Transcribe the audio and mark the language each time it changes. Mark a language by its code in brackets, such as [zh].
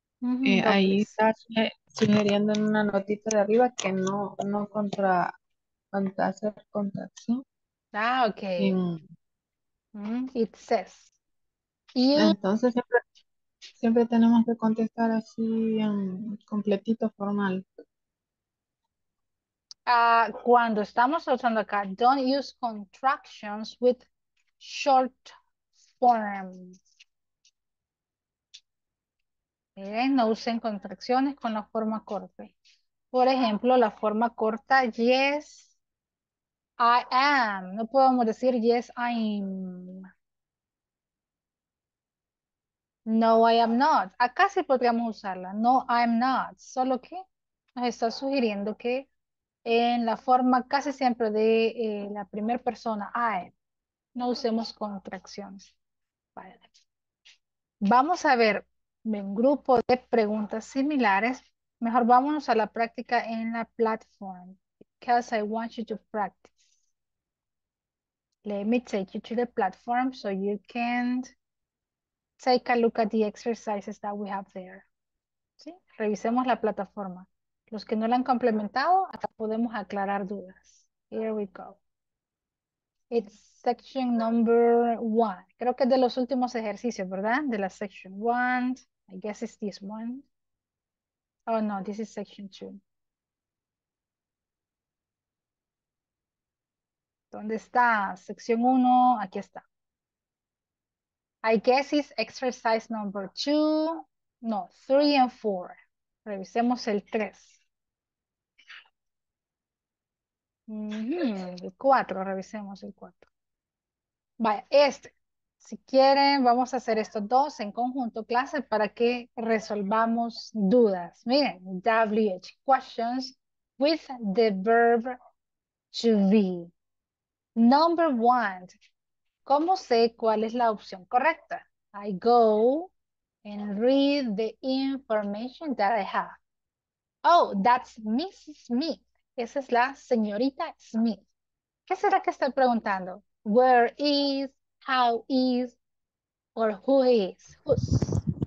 [es] Ahí está sugiriendo en una notita de arriba que no contra hacer contacto. [en] Ah, ok. It says. [es] Entonces siempre tenemos que contestar así completito, formal. Cuando estamos usando acá, [en] don't use contractions with short forms. [es] No usen contracciones con la forma corta. Por ejemplo, la forma corta, [en] yes, I am. [es] No podemos decir [en] yes, I'm. No, I am not. [es] Acá sí podríamos usarla. [en] No, I'm not. [es] Solo que nos está sugiriendo que en la forma casi siempre de la primera persona, I, no usemos contracciones. Vale. Vamos a ver un grupo de preguntas similares. Mejor vámonos a la práctica en la plataforma, [en] because I want you to practice. Let me take you to the platform so you can take a look at the exercises that we have there. [es] ¿Sí? Revisemos la plataforma. Los que no la han complementado, hasta podemos aclarar dudas. [en] Here we go. It's section number one. [es] Creo que es de los últimos ejercicios, ¿verdad? [en] De la section one. I guess it's this one. Oh, no, this is section two. [es] ¿Dónde está? Sección 1, aquí está. [en] I guess it's exercise number 2. [es] No, 3 and 4. Revisemos el 3. El 4, revisemos el 4. Vaya, este. Si quieren, vamos a hacer estos dos en conjunto, clase, para que resolvamos dudas. Miren, [en] WH questions with the verb to be. Number one, [es] ¿cómo sé cuál es la opción correcta? [en] I go and read the information that I have. Oh, that's Mrs. Smith. [es] Esa es la señorita Smith. ¿Qué será que estoy preguntando? [en] Where is, how is, or who is? Who's?